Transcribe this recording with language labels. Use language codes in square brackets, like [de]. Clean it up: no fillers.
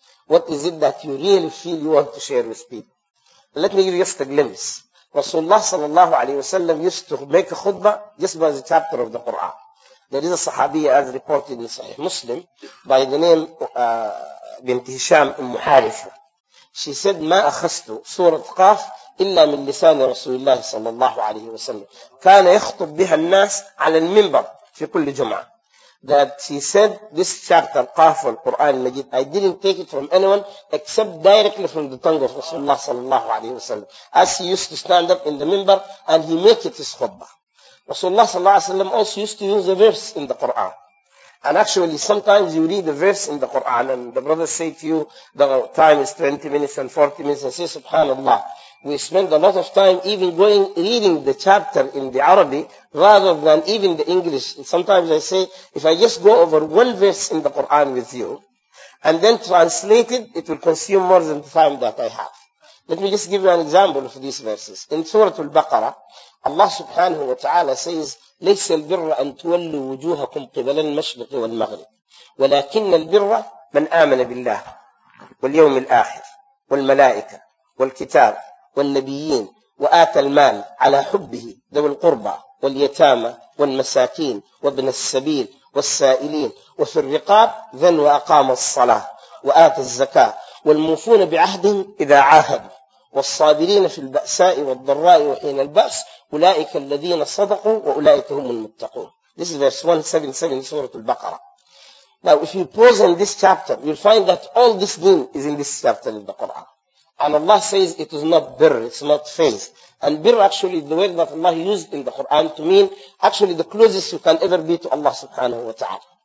[en] What is it that you really feel you want to share with people? Let me give you just a glimpse. Rasulullah sallallahu alayhi wa sallam used to make a khutbah just by the chapter of the Quran. There is a sahabiya as reported in Sahih Muslim by the name bint Hisham Umm Haritha. She said, [ar] ما أخذت سورة قاف إلا من لسان رسول الله صلى الله عليه وسلم. كان يخطب بها الناس على المنبر في كل جمعة. [en] That she said, this chapter, Qaf al Quran al Majid, I didn't take it from anyone except directly from the tongue of Rasulullah sallallahu alayhi wa sallam. As he used to stand up in the minbar and he make it his khutbah. Rasulullah sallallahu alayhi wa sallam also used to use a verse in the Quran. And actually, sometimes you read a verse in the Quran and the brothers say to you, the time is 20 minutes and 40 minutes and say, Subhanallah. We spend a lot of time even going, reading the chapter in the Arabic rather than even the English. And sometimes I say, if I just go over one verse in the Quran with you and then translate it, it will consume more than the time that I have. Let me just give you an example of these verses. In Surah Al-Baqarah, Allah subhanahu wa ta'ala says, [ar] لَيْسَ الْبِرَّ أَن تُوَلُّوا وُجُوهَكُمْ قِبَلَ الْمَشْرِقِ وَالْمَغْرِبِ وَلَكِنَّ الْبِرَّ مَنْ آمَنَ بِاللَّهِ وَالْيَوْمِ الْآخِرِ وَالْمَلَائِكَةِ وَالْكِتَابِ والنبيين وآت المال على حبه ذوي القربى واليتامى والمساكين وابن السبيل والسائلين وفي الرقاب ذن وأقام الصلاة وآت الزكاة والموفون بعهدهم إذا عاهدوا والصابرين في البأساء والضراء وحين البأس أولئك الذين صدقوا وأولئك هم المتقون. [en] This is verse 177 سورة البقرة. Now if you pause on this chapter, you'll find that all this deen is in this chapter in the Quran. And Allah says it is not birr, it's not faith. And birr actually is the word that Allah used in the Quran to mean actually the closest you can ever be to Allah subhanahu wa ta'ala.